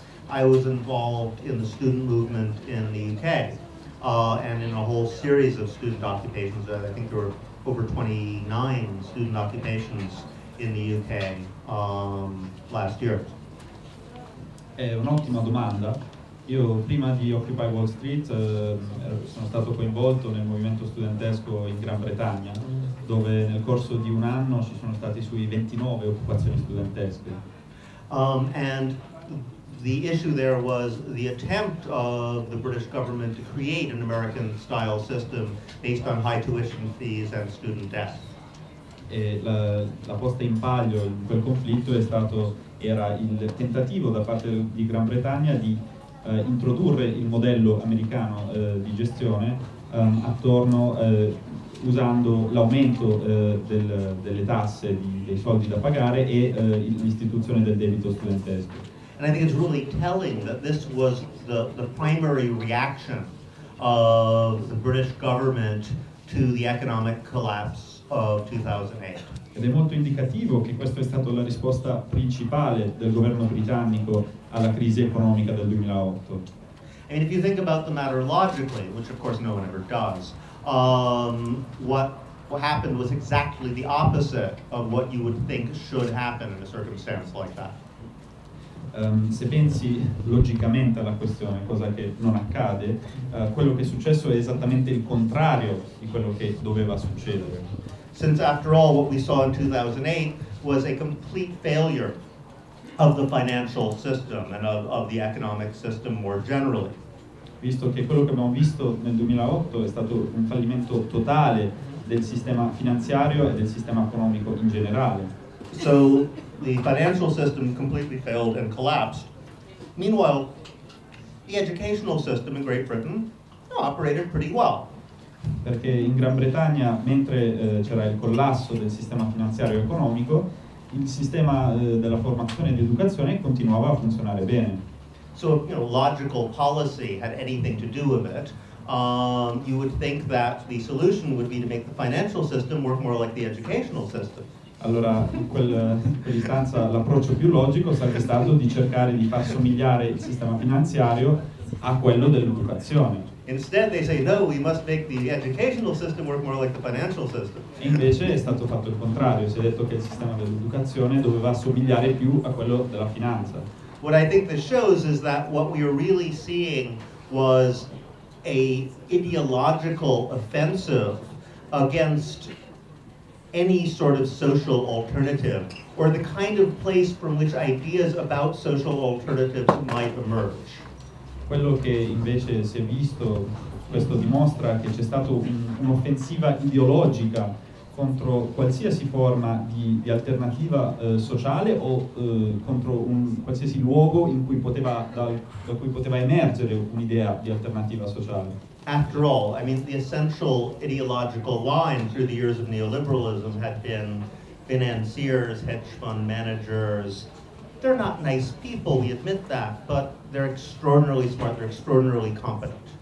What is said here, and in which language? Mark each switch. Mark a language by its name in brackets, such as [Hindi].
[English] I was involved in the student movement in the UK and in a whole series of student occupations. I think there were over 29 student occupations in the UK last year. [Italian] È un'ottima domanda. Io prima di Occupy Wall Street sono stato coinvolto nel movimento studentesco in Gran Bretagna, dove nel corso di un anno ci sono stati sui 29 occupazioni studentesche. [English] And the issue there was the attempt of the British government to create an American-style system based on high tuition fees and student debt. [Italian] E la posta in palio in quel conflitto era il tentativo da parte di Gran Bretagna di introdurre il modello americano di gestione attorno usando l'aumento delle tasse dei soldi da pagare e l'istituzione del debito studentesco. [English] And I think it's really telling that this was the primary reaction of the British government to the economic collapse of 2008. [Italian] Ed è molto indicativo che questa è stata la risposta principale del governo britannico alla crisi economica del 2008. [English] And if you think about the matter logically, which of course no one ever does, what happened was exactly the opposite of what you would think should happen in a circumstance like that. [Italian] Se pensi logicamente alla questione, cosa che non accade, quello che è successo è esattamente il contrario di quello che doveva succedere. [English] Since after all what we saw in 2008 was a complete failure of the financial system and of the economic system more generally. [Italian] Visto che quello che abbiamo visto nel 2008 è stato un fallimento totale del sistema finanziario e del sistema economico in generale. [English] So the financial system completely failed and collapsed. Meanwhile, the educational system in Great Britain operated pretty well. [Italian] Perché in Gran Bretagna, mentre c'era il collasso del sistema finanziario e economico, il sistema della formazione e dell'educazione continuava a funzionare bene. [English] So if logical policy had anything to do with it, you would think that the solution would be to make the financial system work more like the educational system. [Italian] Allora, in quell'istanza l'approccio più logico sarebbe stato di cercare di far somigliare il sistema finanziario a quello dell'educazione. [English] Instead they say no, we must make the educational system work more like the financial system. [Italian] E invece è stato fatto il contrario, si è detto che il sistema dell'educazione doveva somigliare più a quello della finanza. [English] What I think this shows is that what we are really seeing was a ideological offensive against any sort of social alternative, or the kind of place from which ideas about social alternatives might emerge. [Italian] Quello che invece si è visto, questo dimostra che c'è stato un'offensiva ideologica contro qualsiasi forma di alternativa sociale o contro un qualsiasi luogo in cui da cui poteva emergere un'idea di alternativa sociale. [English] After all, I mean, the essential ideological line through the years of neoliberalism had been financiers, hedge fund managers. They're not nice people, we admit that, but they're extraordinarily smart, they're extraordinarily competent.